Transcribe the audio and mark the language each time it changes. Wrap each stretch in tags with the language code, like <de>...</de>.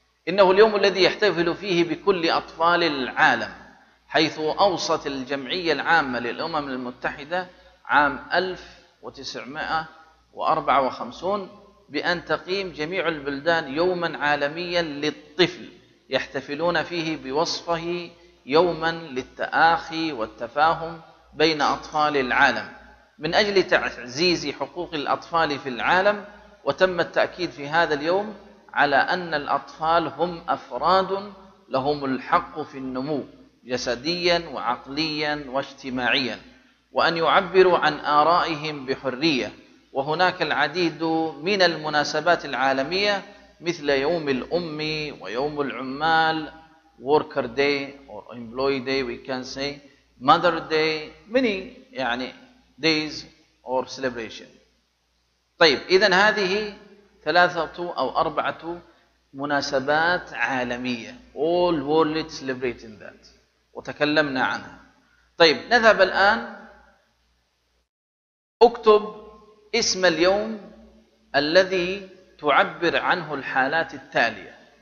<ar>إنه اليوم الذي يحتفل فيه بكل أطفال العالم، حيث أوصت الجمعية العامة للأمم المتحدة عام 1954 بأن تقيم جميع البلدان يوما عالميا للطفل، يحتفلون فيه بوصفه يوما للتآخي والتفاهم بين أطفال العالم من أجل تعزيز حقوق الأطفال في العالم. وتم التأكيد في هذا اليوم على أن الأطفال هم أفراد لهم الحق في النمو جسديا وعقليا واجتماعيا، وأن يعبروا عن آرائهم بحرية. وهناك العديد من المناسبات العالمية مثل يوم الأم ويوم العمال</ar> <en>Worker Day or Employee Day we can say Mother Day many يعني days or celebration.</en> <ar>طيب إذن هذه ثلاثة أو أربعة مناسبات عالمية</ar> <en>All world celebrating that</en> <ar>وتكلمنا عنها. طيب نذهب الآن أكتب اسم اليوم الذي تعبر عنه الحالات التالية.</ar>